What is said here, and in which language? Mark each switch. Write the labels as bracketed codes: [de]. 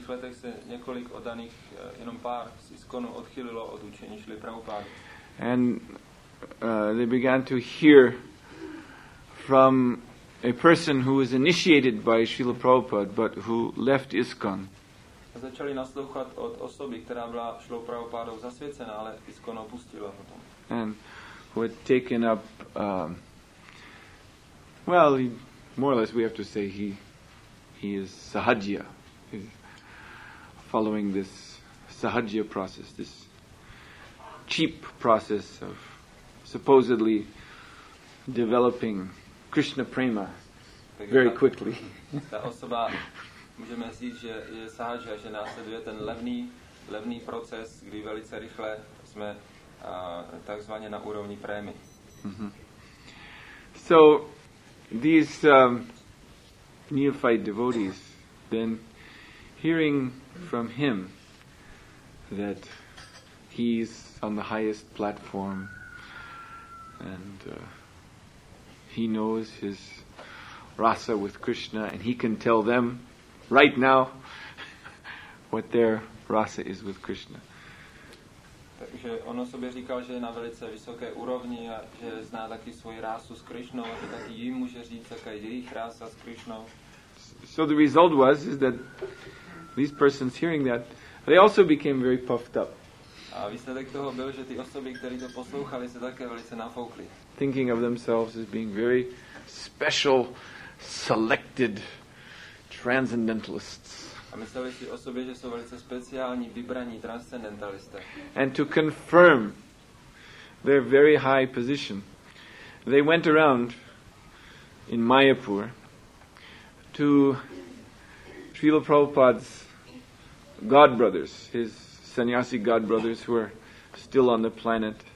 [cs] letech se několik oddaných, jenom pár z ISKCONu odchylilo od učení Srila Prabhupada. [en] And they began to hear from a person who was initiated by Srila Prabhupada, but who left ISKCON. [cs] A začali naslouchat od osoby, která byla Srila Prabhupádou zasvěcena, ale ISKCON opustila potom. [en] And who had taken up, well, he, more or less we have to say he is sahajya. He's following this sahajya process, this cheap process of supposedly developing Krishna prema very quickly. [cs] Ta osoba, můžeme říct, že je sahajya, že následuje ten levný proces, kdy velice rychle jsme takzvaně na úrovni prémy. [en] So these neophyte devotees then hearing from him that he's on the highest platform and he knows his rasa with Krishna and he can tell them right now what their rasa is with Krishna. [cs] Takže on o sobě říkal, že je na velice vysoké úrovni a že zná taky svoji rásu s Krišnou, a taky jim může říct, jaká je jejich rása s Krišnou. [en] So the result was is that these persons hearing that, they also became very puffed up. [cs] A výsledek toho byl, že ty osoby, které to poslouchali, se také velice nafoukly. [en] Thinking of themselves as being very special, selected transcendentalists. [cs] A mysleli si o sobě, že jsou velice speciální, vybraní transcendentalisté. [en] And to confirm their very high position, they went around in Mayapur to Srila Prabhupada's godbrothers, his sannyasi godbrothers who are still on the planet,